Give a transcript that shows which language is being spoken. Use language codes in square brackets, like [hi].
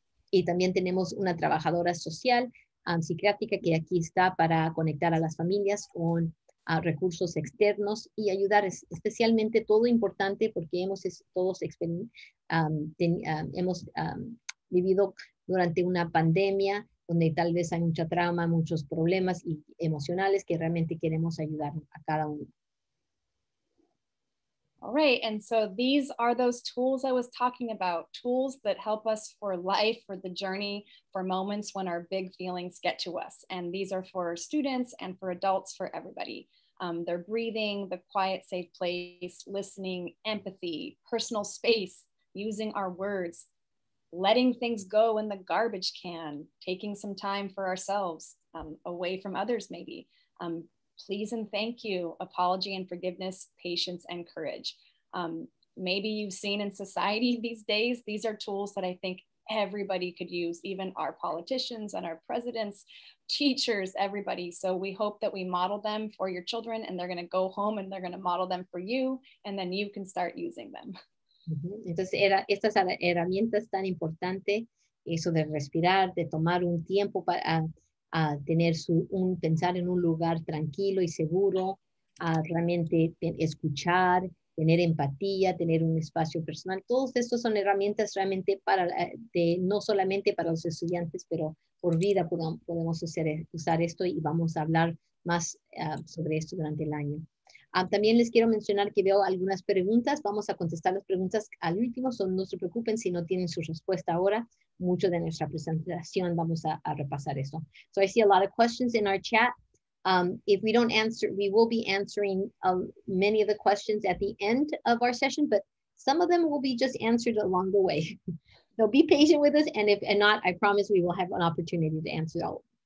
[es] Y también tenemos una trabajadora social psiquiátrica que aquí está para conectar a las familias con recursos externos y ayudar, especialmente todo importante porque hemos vivido durante una pandemia donde tal vez hay mucha trauma, muchos problemas y emocionales que realmente queremos ayudar a cada uno. [en] All right, and so these are those tools I was talking about, tools that help us for life, for the journey, for moments when our big feelings get to us. And these are for students and for adults, for everybody. They're breathing, the quiet, safe place, listening, empathy, personal space, using our words, letting things go in the garbage can, taking some time for ourselves, away from others maybe. Please and thank you, apology and forgiveness, patience and courage. Maybe you've seen in society these days, these are tools that I think everybody could use, even our politicians and our presidents, teachers, everybody. So we hope that we model them for your children and they're gonna go home and they're gonna model them for you and then you can start using them. [es] Entonces, estas herramientas tan importantes, eso de respirar, de tomar un tiempo para tener pensar en un lugar tranquilo y seguro, realmente escuchar, tener empatía, tener un espacio personal. Todos estos son herramientas realmente para no solamente para los estudiantes, pero por vida podemos usar esto y vamos a hablar más sobre esto durante el año. También les quiero mencionar que veo algunas preguntas. Vamos a contestar las preguntas al último. No se preocupen si no tienen su respuesta ahora. Mucho de nuestra presentación vamos a repasar eso. [en] So I see a lot of questions in our chat. If we don't answer, we will be answering many of the questions at the end of our session, but some of them will be just answered along the way. So be patient with us, and if not, I promise we will have an opportunity to answer all.